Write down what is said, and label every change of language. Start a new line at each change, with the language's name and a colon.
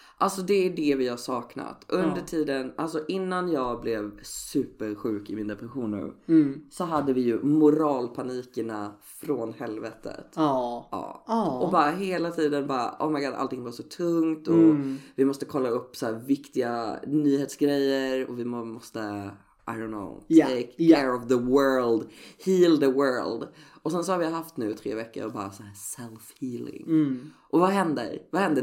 Swedish: Alltså det är det vi har saknat. Under tiden, alltså innan jag blev supersjuk i min depression nu. Så hade vi ju moralpanikerna från helvetet. Och bara hela tiden bara,
English: oh my god,
Swedish: allting var så tungt. Och vi måste kolla upp så här viktiga nyhetsgrejer. Och vi måste...
English: I don't know, take care of the world, heal the world.
Swedish: Och sen så har vi haft nu 3 veckor och bara så här self-healing. Och vad händer? Vad händer?